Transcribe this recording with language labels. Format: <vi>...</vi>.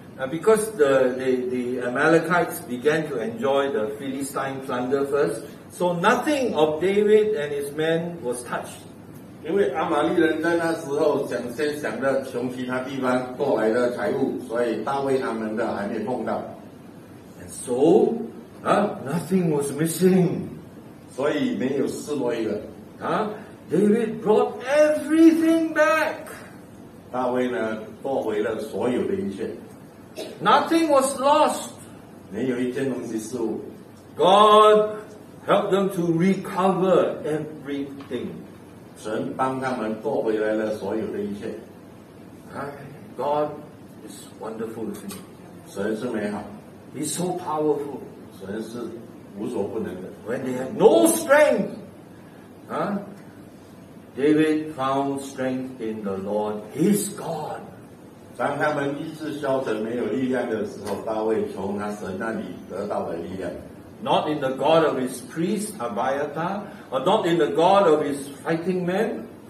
<en>Because the Amalekites began to enjoy the Philistine plunder first, so nothing of David and his men was touched.</en> <zh>因为阿玛利人在那时候想着从其他地方过来的财物，所以大卫他们的还没碰到。</zh> <en>And so, nothing was missing.</en> <zh>所以没有失落一个。</zh> <en>David brought everything back.</en> <zh>大卫呢，夺回了所有的一切。</zh> <en>Nothing was lost.</en> <zh>没有一件东西失误。</zh> <en>God helped them to recover everything.</en> <zh>神帮他们夺回来了所有的一切。</zh> <en>God is wonderful.</en> <zh>神是美好。</zh> <en>He's so powerful.</en> <zh>神是无所不能的。</zh> <en>When they had no strength, David found strength in the Lord, his God.</en> <zh>当他们意志消沉没有力量的时候，大卫从他神那里得到了力量。</zh> <en>Not in the God of his priest, Abiathar, or not in the God of his fighting men.</en>